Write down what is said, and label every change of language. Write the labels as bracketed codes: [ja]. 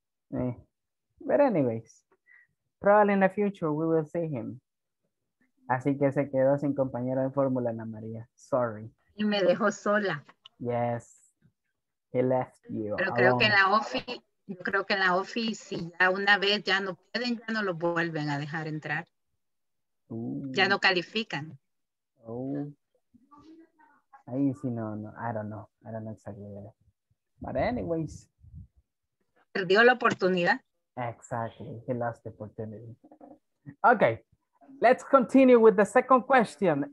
[en] But anyways, probably in the future we will see him. [es] Así que se quedó sin compañero de fórmula, Ana María. [en] Sorry. [es] Y me dejó sola. [en] Yes, he left you [es] Pero Creo que en la office... Yo creo que en la oficina una vez ya no pueden, ya no lo vuelven a dejar entrar. Ya no califican. Ahí sí, no, [en] I don't know exactly that. But anyways. [es] Perdió la oportunidad. [en] Exactly, he lost the opportunity. Okay, let's continue with the second question.